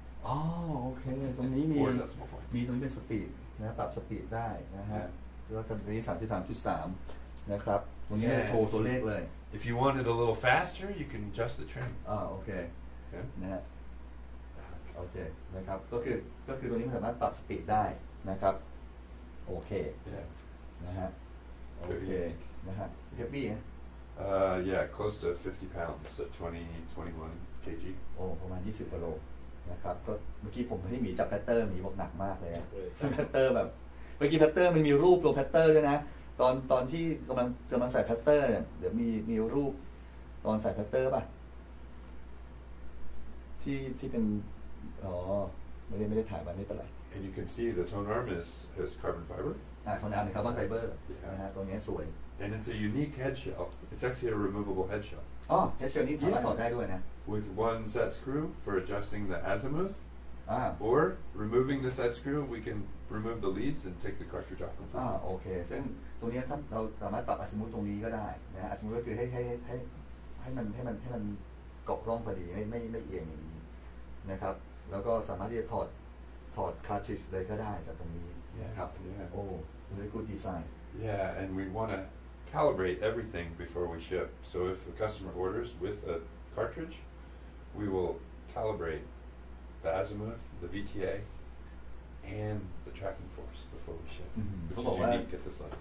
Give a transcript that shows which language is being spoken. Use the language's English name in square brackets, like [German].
[English] Oh, okay. [Thai] ตรงนี้มีตรงนี้เป็นสปีดนะปรับสปีดได้นะฮะแล้วตรงนี้33.3นะครับตรงนี้จะโชว์ตัวเลขเลย [English] If you want it a little faster you can adjust the trim [Thai] โอเคนะฮะโอเคนะครับก็คือตรงนี้สามารถปรับสปีดได้นะครับโอเคนะฮะโอเคนะฮะเฮฟวี่ [English] yeah close to 50 pounds so 20-21 kg [Thai] โอ้ประมาณ20กิโลนะครับก็เมื่อกี้ผมให้หมีจับแพตเตอร์หมีบอกหนักมากเลยแพตเตอร์แบบเมื่อกี้แพตเตอร์มันมีรูปตัวแพตเตอร์ด้วยนะตอนที่กำลังใส่แพตเตอร์เนี่ยเดี๋ยวมีรูปตอนใส่แพตเตอร์ป่ะที่เป็นอ๋อไม่ได้ถ่ายมาไม่เป็นไร [English] And you can see the tone arm is carbon fiber Tone arm carbon fiber [Thai] นะฮะตัวนี้สวย [English] And it's a unique head shell It's actually a removable head shell [Thai] อ๋อ head shell นี้สามารถถอดได้ด้วยนะ [English] With one set screw for adjusting the azimuthOr removing the set screw, we can remove the leads and take the cartridge off completely. Okay. [Thai] ซึ่งตรงนี้ถ้าเราสามารถปรับอัสมุทตรงนี้ก็ได้นะอัสมุทก็คือให้มันเกาะร่องพอดีไม่เอียงอย่างนี้นะครับแล้วก็สามารถที่จะถอดคาร์ทริดจ์เลยก็ได้จากตรงนี้ [English] yeah. [Thai] นะครับโอ้ [English] very good design. Yeah, and we want to calibrate everything before we ship. So if a customer orders with a cartridge, we will calibrate. The azimuth, the VTA, and the tracking force before we ship, which is unique at this level.